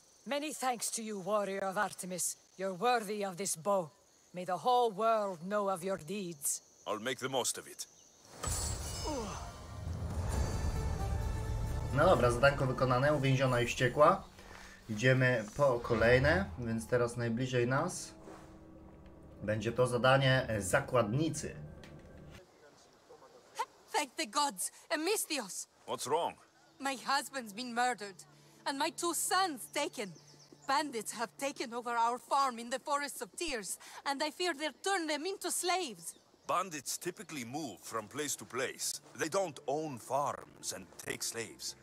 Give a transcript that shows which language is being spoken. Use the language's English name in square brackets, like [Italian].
[English] Many thanks to you, warrior of Artemis. You're worthy of this bow. May the whole world know of your deeds. I'll make the most of it. [Polish] No dobra, zadanko wykonane, uwięziona i wściekła. Idziemy po kolejne, więc teraz najbliżej nas będzie to zadanie zakładnicy. [English] Thank the gods, Amistios. What's wrong? My husband's been murdered, and my two sons taken. Bandits have taken over our farm in the Forests of Tears, and I fear they'll turn them into slaves. Bandits typically move from place to place. They don't own farms and take slaves.